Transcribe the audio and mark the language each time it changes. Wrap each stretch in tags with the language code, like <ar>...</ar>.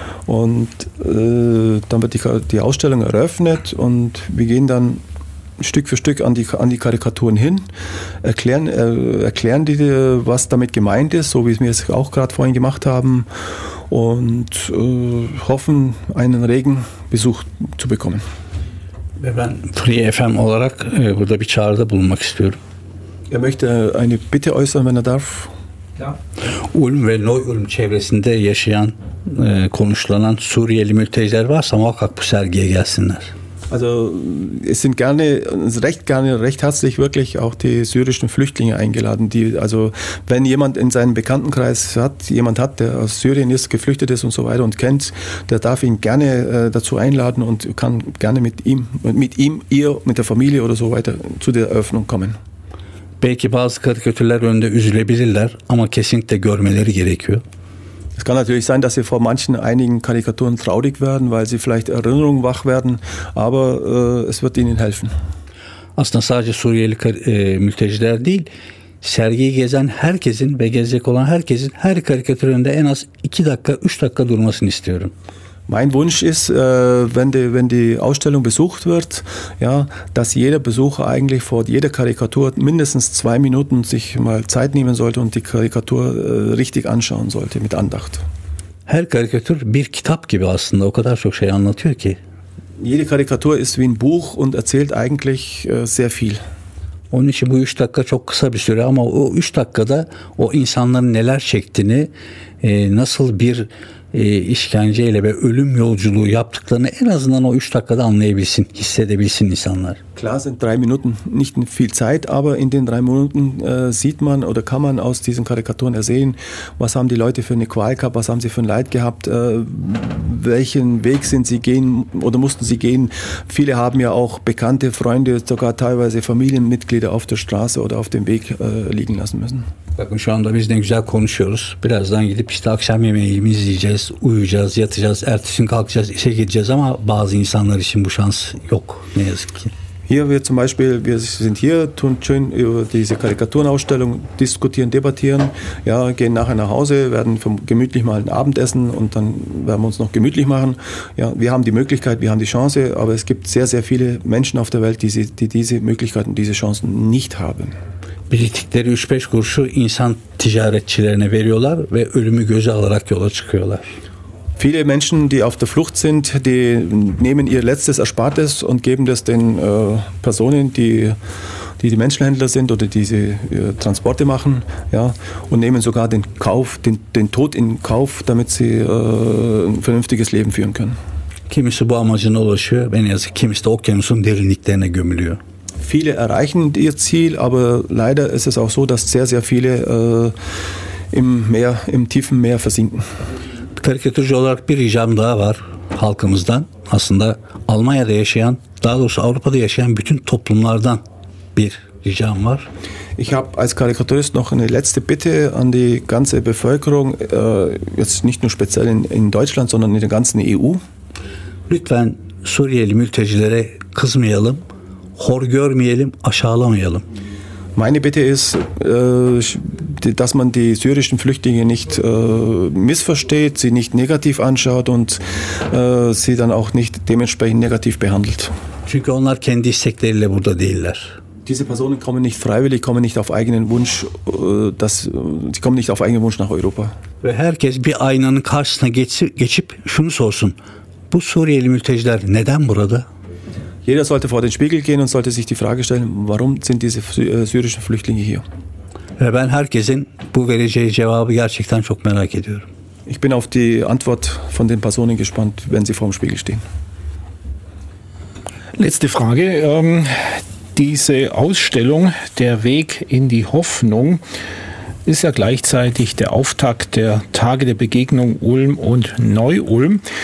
<de>Und dann wird die Ausstellung eröffnet und wir gehen dann Stück für Stück an die Karikaturen hin, erklären die, was damit gemeint ist, so wie wir es auch gerade vorhin gemacht haben und hoffen, einen regen Besuch zu bekommen.</de> <tr>Ben Free FM olarak burada bir çağrıda bulunmak istiyorum.</tr> <de>Er möchte eine Bitte äußern, wenn er darf. Ja.</de> <tr>Ulm ve Neu-Ulm çevresinde yaşayan, konuşulanan Suriyeli mülteciler varsa muhakkak bu sergiye gelsinler.</tr> <de>Also es sind gerne, recht gerne, recht herzlich wirklich auch die syrischen Flüchtlinge eingeladen. Die, also wenn jemand in seinem Bekanntenkreis jemand hat, der aus Syrien ist, geflüchtet ist und so weiter und kennt, der darf ihn gerne dazu einladen und kann gerne mit der Familie oder so weiter zu der Eröffnung kommen.</de> <tr>Belki bazı karikatürler önünde üzülebilirler ama kesinlikle görmeleri gerekiyor.</tr> <de>Es kann natürlich sein, dass sie vor manchen einigen Karikaturen traurig werden, weil sie vielleicht Erinnerungen wach werden, aber es wird ihnen helfen.</de> <tr>Aslında sadece Suriyeli mülteciler değil, sergiyi gezen herkesin ve gezecek olan herkesin her karikatür önünde en az 2 dakika, 3 dakika durmasını istiyorum.</tr> <de>Mein Wunsch ist, wenn die Ausstellung besucht wird, ja, dass jeder Besucher eigentlich vor jeder Karikatur mindestens 2 Minuten sich mal Zeit nehmen sollte und die Karikatur richtig anschauen sollte mit Andacht.</de> <tr>Her Karikatur bir kitap gibi aslında, o kadar çok şey anlatıyor ki.</tr> <de>Jede Karikatur ist wie ein Buch und erzählt eigentlich sehr viel.</de> <tr>Onun için bu 3 dakika çok kısa bir süre ama o 3 dakikada o insanların neler çektiğini, nasıl bir işkenceyle ve ölüm yolculuğu yaptıklarını en azından o 3 dakikada anlayabilsin, hissedebilsin insanlar.</tr> <de>Klar sind 3 Minuten nicht viel Zeit, aber in den 3 Minuten sieht man oder kann man aus diesen Karikaturen ersehen, was haben die Leute für eine Qual gehabt, was haben sie für ein Leid gehabt, welchen Weg sind sie gehen oder mussten sie gehen. Viele haben ja auch Bekannte, Freunde, sogar teilweise Familienmitglieder auf der Straße oder auf dem Weg liegen lassen müssen.</de> <tr>Bakın şu anda biz ne güzel konuşuyoruz. Birazdan gidip işte akşam yemeğimizi yiyeceğiz, uyuyacağız, yatacağız, ertesi gün kalkacağız, işe gideceğiz ama bazı insanlar için bu şans yok ne yazık ki.</tr> <de>Hier wir zum Beispiel, wir sind hier, tun schön über diese Karikaturenausstellung diskutieren, debattieren, ja, gehen nachher nach Hause, werden gemütlich mal ein Abendessen und dann werden wir uns noch gemütlich machen. Ja, wir haben die Möglichkeit, wir haben die Chance, aber es gibt sehr, sehr viele Menschen auf der Welt, die diese Möglichkeiten, diese Chancen nicht haben.</de> <tr>Biriktikleri 3-5 kuruşu insan ticaretçilerine veriyorlar ve ölümü göze alarak yola çıkıyorlar.</tr> <de>Viele Menschen, die auf der Flucht sind, die nehmen ihr letztes Erspartes und geben das den Personen, die die Menschenhändler sind oder diese Transporte machen, ja, und nehmen sogar den Kauf, den Tod in Kauf, damit sie ein vernünftiges Leben führen können.</de> <tr>Kimisi bu amacına ulaşıyor, ben yazık, kimisi de okyanusun derinliklerine gömülüyor.</tr> <de>Viele erreichen ihr Ziel, aber leider ist es auch so, dass sehr, sehr viele im Meer, im tiefen Meer versinken.</de> <tr>Karikatürcü olarak bir ricam daha var halkımızdan. Aslında Almanya'da yaşayan, daha doğrusu Avrupa'da yaşayan bütün toplumlardan bir ricam var.</tr> <de>Ich habe als Karikaturist noch eine letzte Bitte an die ganze Bevölkerung, jetzt nicht nur speziell in Deutschland, sondern in der ganzen EU.</de> <tr>Lütfen Suriyeli mültecilere kızmayalım, hor görmeyelim, aşağılamayalım.</tr> <de>Meine Bitte ist, dass man die syrischen Flüchtlinge nicht missversteht, sie nicht negativ anschaut und sie dann auch nicht dementsprechend negativ behandelt.</de> <tr>Çünkü onlar kendi istekleriyle burada değiller.</tr> <de>Diese Personen kommen nicht freiwillig, kommen nicht auf eigenen Wunsch, sie kommen nicht auf eigenen Wunsch nach Europa.</de> <tr>Ve herkes bir aynanın karşısına geçip şunu sorsun. Bu Suriyeli mülteciler neden burada?</tr> <de>Jeder sollte vor den Spiegel gehen und sollte sich die Frage stellen, warum sind diese syrischen Flüchtlinge hier?</de> <tr>Ben herkesin bu vereceği cevabı gerçekten çok merak ediyorum.</tr> <de>Ich bin auf die Antwort von den Personen gespannt, wenn sie vor dem Spiegel stehen. Letzte Frage. Diese Ausstellung, der Weg in die Hoffnung, ist ja gleichzeitig der Auftakt der Tage der Begegnung Ulm und Neu-Ulm.</de>